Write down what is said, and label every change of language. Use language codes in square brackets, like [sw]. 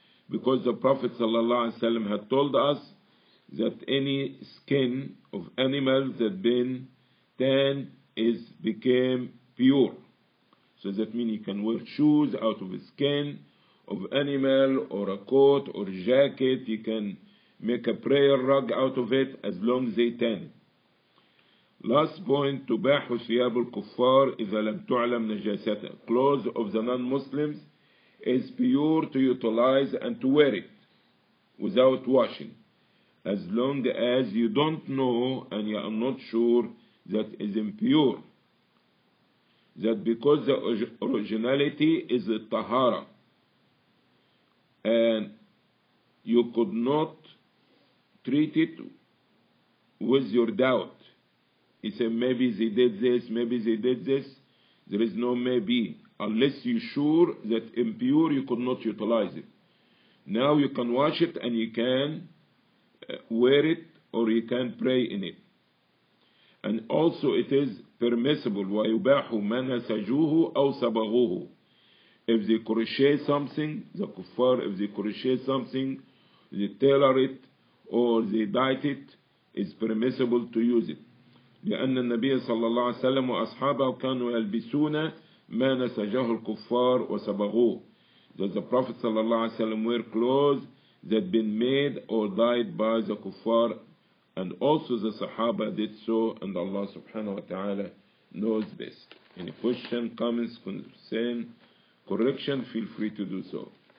[en] Because the Prophet ﷺ had told us that any skin of animals that been tanned is became pure. So that means you can wear shoes out of the skin of animal or a coat or jacket. You can make a prayer rug out of it as long as they tan. Last point, [ar] تباح ثياب الكفار إذا لم تعلم نجاستها. [en] Clothes of the non-Muslims is pure to utilize and to wear it without washing, as long as you don't know and you are not sure that is impure. That because the originality is the tahara, and you could not treat it with your doubt. He said, maybe they did this, maybe they did this. There is no maybe. Unless you're sure that impure, you could not utilize it. Now you can wash it and you can wear it or you can pray in it. And also it is permissible. [ar] وَيُبَاحُ مَنَا سَجُوهُ أَوْ سَبَغُوهُ. [en] If they crochet something, the kuffar, if they crochet something, they tailor it or they dyed it, it's permissible to use it. [ar] لأن النبي صلى الله عليه وسلم وأصحابه كانوا يلبسون ما نسجه الكفار وسبغوه. [en] That the Prophet [ar] صلى الله عليه وسلم [en] wear clothes that been made or dyed by the kuffar, and also the Sahaba did so, and Allah [ar] سبحانه وتعالى [en] knows best. Any question, comments, concern, correction, feel free to do so.